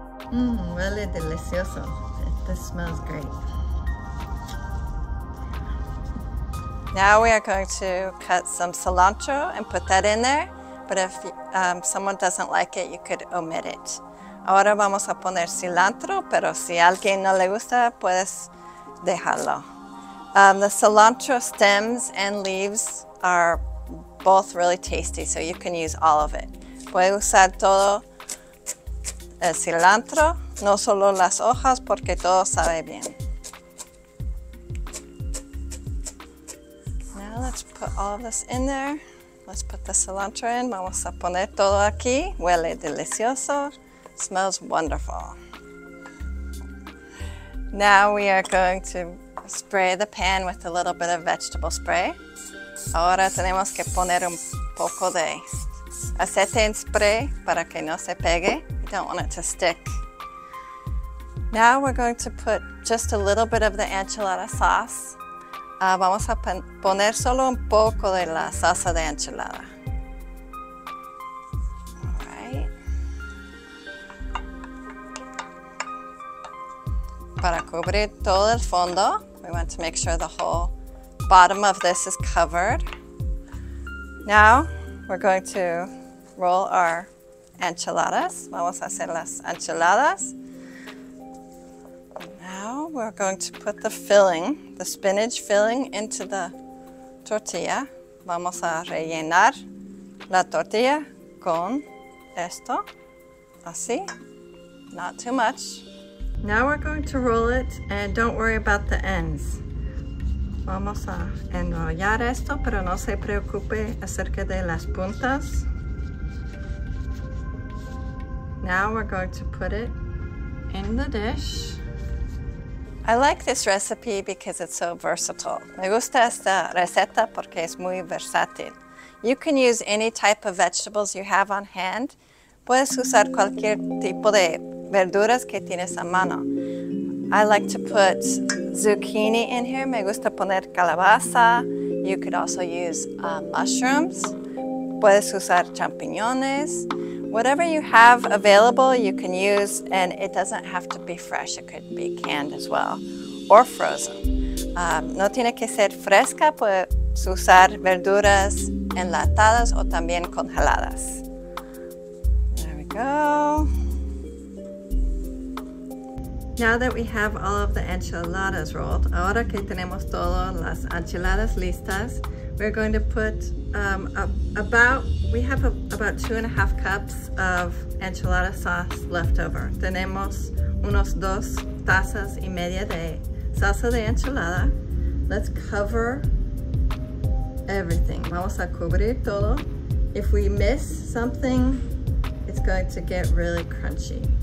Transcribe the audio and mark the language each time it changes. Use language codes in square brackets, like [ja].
[es] Huele delicioso. [en] This smells great. Now we are going to cut some cilantro and put that in there, but if someone doesn't like it, you could omit it. [es] Ahora vamos a poner cilantro, pero si alguien no le gusta, puedes dejarlo. [en] The cilantro stems and leaves are both really tasty, so you can use all of it. [es] Puedes usar todo el cilantro, no solo las hojas, porque todo sabe bien. [en] Now let's put all of this in there. Let's put the cilantro in. [es] Vamos a poner todo aquí. Huele delicioso. [en] Smells wonderful. Now we are going to spray the pan with a little bit of vegetable spray. [es] Ahora tenemos que poner un poco de aceite en spray para que no se pegue. [en] You don't want it to stick. Now we're going to put just a little bit of the enchilada sauce. [es] Vamos a poner solo un poco de la salsa de enchilada. [en] All right. [es] Para cubrir todo el fondo, [en] we want to make sure the whole bottom of this is covered. Now we're going to roll our enchiladas. [es] Vamos a hacer las enchiladas. [en] Now we're going to put the filling, the spinach filling, into the tortilla. [es] Vamos a rellenar la tortilla con esto, así, [en] not too much. Now we're going to roll it, and don't worry about the ends. [es] Vamos a enrollar esto, pero no se preocupe acerca de las puntas. [en] Now we're going to put it in the dish. I like this recipe because it's so versatile. [es] Me gusta esta receta porque es muy versátil. [en] You can use any type of vegetables you have on hand. [es] Puedes usar cualquier tipo de verduras que tienes a mano. [en] I like to put zucchini in here. [es] Me gusta poner calabaza. [en] You could also use mushrooms. [es] Puedes usar champiñones. [en] Whatever you have available, you can use, and it doesn't have to be fresh. It could be canned as well, or frozen. [es] No tiene que ser fresca, puedes usar verduras enlatadas o también congeladas. [en] There we go. Now that we have all of the enchiladas rolled, [es] ahora que tenemos todas las enchiladas listas, [en] we're going to put about 2.5 cups of enchilada sauce left over. [es] Tenemos unos 2 tazas y media de salsa de enchilada. [en] Let's cover everything. [es] Vamos a cubrir todo. [en] If we miss something, it's going to get really crunchy.